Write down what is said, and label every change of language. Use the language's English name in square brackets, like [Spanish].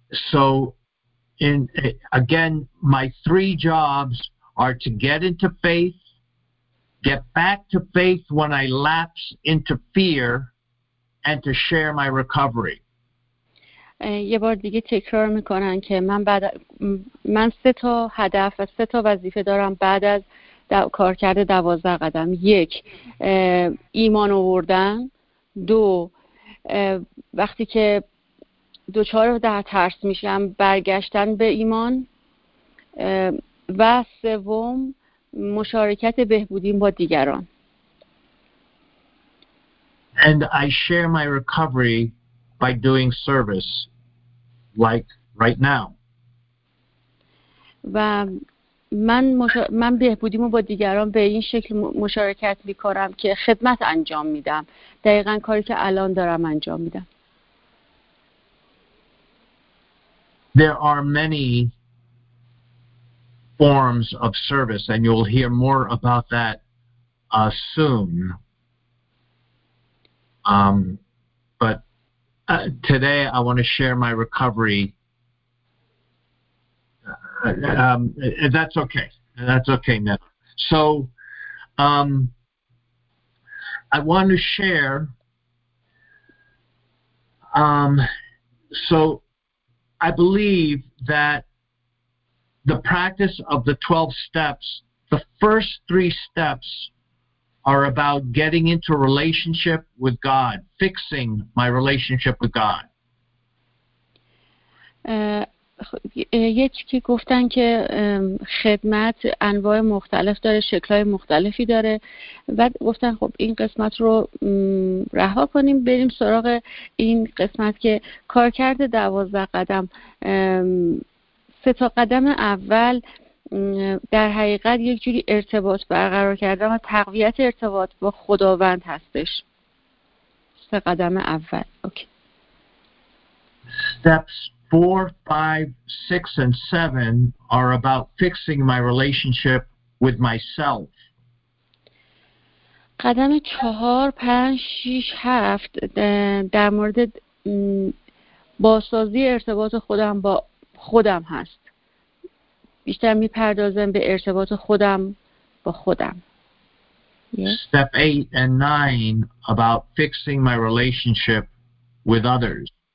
[English] So in again, my three jobs are to get into faith, get back to faith when I lapse into fear, and to share my recovery. [Persian] یه بار دیگه تکرار میکنن که من سه تا هدف و سه تا وظیفه دارم بعد از کار کرده 12 قدم. یک، ایمان آوردن. دو، وقتی که دوچار در ترس میشم برگشتن به ایمان. و سوم، مشارکت بهبودیم با دیگران. [English] And I share my recovery by doing service like right now. [Persian] و من بهبودیمو با دیگران به این شکل مشارکت میکنم که خدمت انجام میدم، دقیقا کاری که الان دارم انجام میدم. [English] There are many forms of service and you'll hear more about that soon. But today I want to share my recovery. That's okay now. So I want to share. So I believe that the practice of the 12 steps, the first three steps are about getting into relationship with God, fixing my relationship with God. [Persian] یکی که گفتن که خدمت انواع مختلف داره، شکلهای مختلفی داره، بعد گفتن خب این قسمت رو رها کنیم بریم سراغ این قسمت که کار کرده 12 قدم. سه تا قدم اول در حقیقت یک جوری ارتباط برقرار کردن و تقویت ارتباط با خداوند هستش. سه قدم اول. [English] Steps 4, 5, 6 and 7 are about fixing my relationship with myself. [Persian] قدم 4, 5, 6, 7 در مورد بازسازی ارتباط خودم با خودم هست. بیشتر میپردازم به ارتباط خودم با خودم. [English] Step 8 and 9 about fixing my relationship with others.